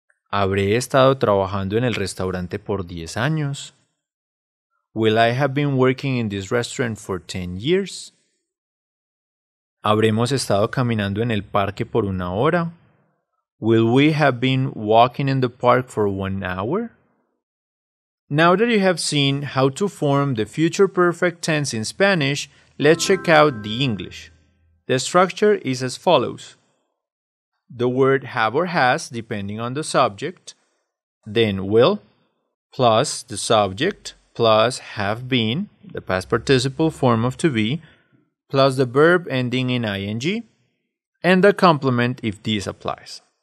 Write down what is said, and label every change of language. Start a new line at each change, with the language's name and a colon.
Spanish: ¿Habré estado trabajando en el restaurante por 10 años?
English: Will I have been working in this restaurant for 10 years?
Spanish: ¿Habremos estado caminando en el parque por una hora?
English: Will we have been walking in the park for 1 hour? Now that you have seen how to form the future perfect tense in Spanish, let's check out the English. The structure is as follows. The word have or has, depending on the subject, then will, plus the subject, plus have been, the past participle form of to be, plus the verb ending in ing, and the complement if this applies.